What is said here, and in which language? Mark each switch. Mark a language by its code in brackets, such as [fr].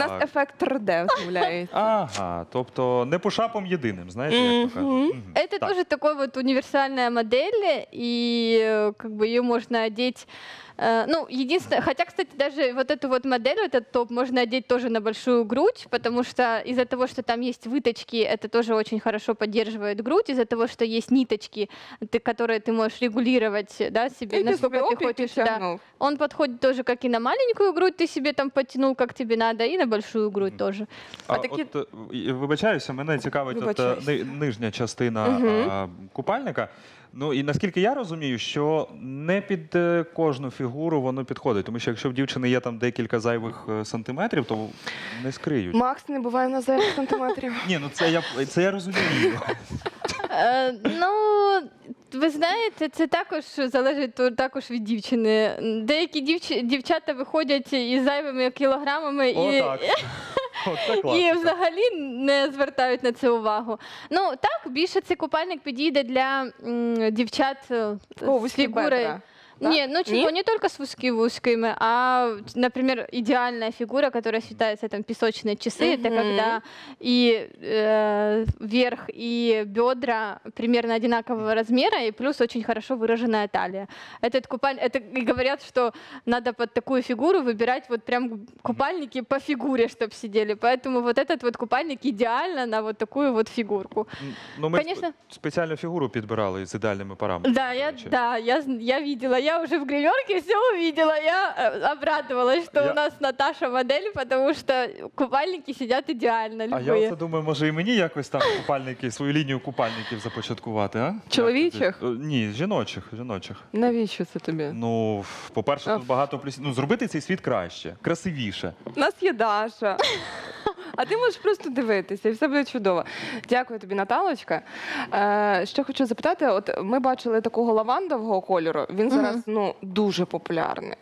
[uk] У нас ефект 3D, з'являється. Ага, тобто не по шапам єдиним, знаєте, як то кажуть. Це дуже така от універсальна модель, і її можна одіти. [ru] Ну, единственное, хотя, кстати, даже вот эту вот модель, этот топ, можно одеть тоже на большую грудь, потому что из-за того, что там есть выточки, это тоже очень хорошо поддерживает грудь, из-за того, что есть ниточки, которые ты можешь регулировать, да, себе, и насколько ты хочешь, да. Он подходит тоже как и на маленькую грудь, ты себе там подтянул, как тебе надо, и на большую грудь тоже. [uk] Вибачаюся, мене цікавить нижня частина купальника. Ну і наскільки я розумію, що не під кожну фігуру воно підходить. Тому що якщо в дівчини є там декілька зайвих сантиметрів, то не скриють. Макс, не буває на зайвих сантиметрів. Ні, ну це я розумію. Ну, ви знаєте, це також залежить також від дівчини. Деякі дівчата виходять із зайвими кілограмами. О, так. І взагалі не звертають на це увагу. Ну, так, більше цей купальник підійде для дівчат з фігури. Да? Ні, ну чому не тільки з вузькими, а, наприклад, ідеальна фігура, яка вважається там пісочні часи, це коли і верх, і бедра приблизно однакового розміру, і плюс дуже хорошо виражена талія. [ru] Этот купальник, это [uk] і говорять, що треба під таку фігуру вибирати вот прям купальники по фігурі, щоб сиділи. [ru] Поэтому вот этот вот купальник ідеально на вот такую вот фігурку. [uk] Ну, ми конечно, спеціальну фігуру підбирали з ідеальними параметрами. [ru] Да, я видела. Я уже в гримерке все увидела, я обрадовалась, что у нас Наташа модель, потому что купальники сидят идеально. А я вот думаю, может и мне как-то там купальники, свою линию купальников започаткувати, а? [uk] Чоловічих? Ні, жіночих. Навіщо це тобі? Ну, по-перше, тут багато плюсів. Ну, зробити цей світ краще, красивіше. У нас є Даша. А ти можеш просто дивитися, і все буде чудово. Дякую тобі, Наталочка. Що хочу запитати, от ми бачили такого лавандового кольору, він зараз дуже популярний.